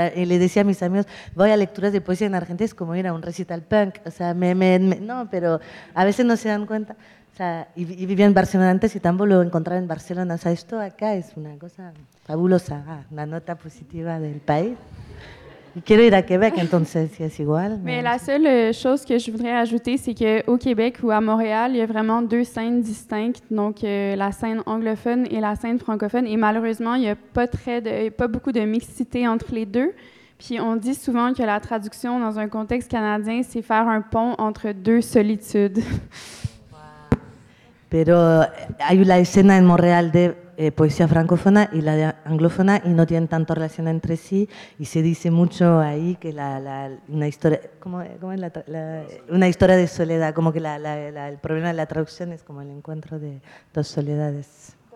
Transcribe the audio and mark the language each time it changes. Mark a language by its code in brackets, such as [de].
[es] Y le decía a mis amigos, voy a lecturas de poesía en Argentina, es como ir a un recital punk, o sea, no, pero a veces no se dan cuenta, o sea, y vivía en Barcelona antes y tampoco lo encontraba en Barcelona, o sea, esto acá es una cosa fabulosa, una nota positiva del país. Quiero ir [fr] à Québec, donc c'est égal. Mais la seule chose que je voudrais ajouter, c'est qu'au Québec ou à Montréal, il y a vraiment deux scènes distinctes, donc la scène anglophone et la scène francophone. Et malheureusement, il n'y a pas beaucoup de mixité entre les deux. Puis on dit souvent que la traduction dans un contexte canadien, c'est faire un pont entre deux solitudes. [es] Pero hay la escena en Montréal de poesía francófona y la de anglófona y no tienen tanto relación entre sí y se dice mucho ahí que una historia, ¿cómo es una historia de soledad, como que el problema de la traducción es como el encuentro de dos soledades.